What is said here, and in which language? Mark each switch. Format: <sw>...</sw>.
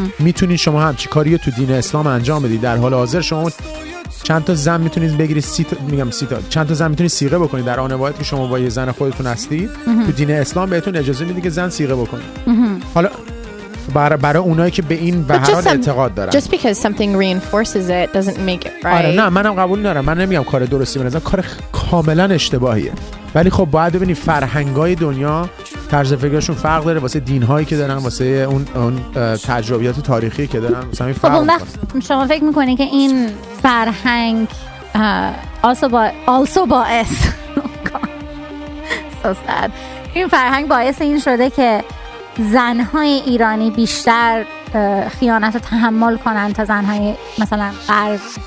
<fa>میتونید شما هم چی کاری تو دین اسلام انجام بدید. در حال حاضر شما چند تا زن میتونید بگیرید، چند تا زن میتونید صیغه بکنید در آن واحد که شما با یه زن خودتون هستید. تو دین اسلام بهتون اجازه میده که زن صیغه بکنید. حالا برای اونایی که به این به هر حال اعتقاد دارن،</fa> <en>just because something reinforces it doesn't make it right.</en> <fa>آره نه، منم قبول ندارم، من نمیگم کار درستی به نظر، کار کاملا اشتباهیه، ولی خب باید ببینید فرهنگای دنیا طرز فکرشون فرق داره، واسه دینهایی که دارن، واسه اون تجربیات تاریخی که دارن، واسه همین فرق داره. شما فکر میکنی که این فرهنگ also باعث</fa> <en>so sad،</en> <fa>این فرهنگ باعث این شده که زنهای ایرانی بیشتر خیانت رو تحمل کنن تا زنهای مثلا غرب؟</fa>